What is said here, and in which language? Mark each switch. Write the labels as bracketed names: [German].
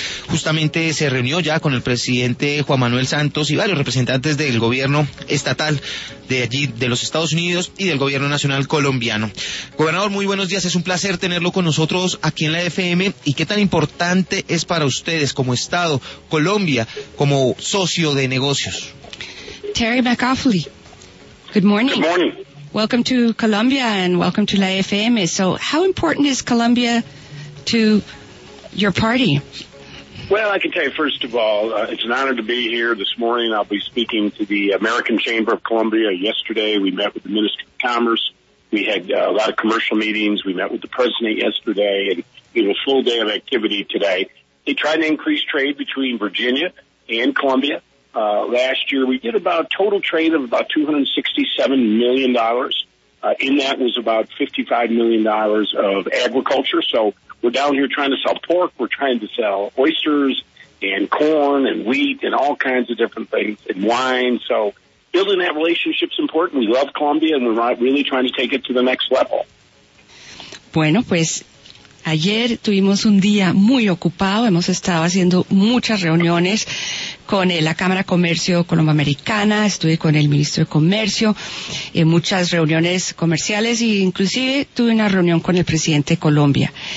[Spanish] Justamente se reunió ya con el presidente Juan Manuel Santos y varios representantes del gobierno estatal de allí, de los Estados Unidos, y del gobierno nacional colombiano. Gobernador, muy buenos días, es un placer tenerlo con nosotros aquí en la FM. ¿Y qué tan importante es para ustedes como Estado Colombia, como socio de negocios? [English] Terry McAuliffe, good morning. Good morning. Welcome to Colombia and welcome to la FM. So how important is Colombia to your party? Well, I can tell you, first of all, it's an honor to be here this morning. I'll be speaking to the American Chamber of Colombia. Yesterday, we met with the Minister of Commerce. We had a lot of commercial meetings. We met with the President yesterday, and we have a full day of activity today. They tried to increase trade between Virginia and Colombia. Last year, we did about a total trade of about $267 million. In that was about $55 million of agriculture. So we're down here trying to sell pork. We're trying to sell oysters and corn and wheat and all kinds of different things and wine. So building that relationship is important. We love Colombia, and we're really trying to take it to the next level. [Spanish] Bueno, pues ayer tuvimos un día muy ocupado. Hemos estado haciendo muchas reuniones con la Cámara de Comercio Colombo-Americana. Estuve con el Ministro de Comercio en muchas reuniones comerciales e inclusive tuve una reunión con el Presidente de Colombia.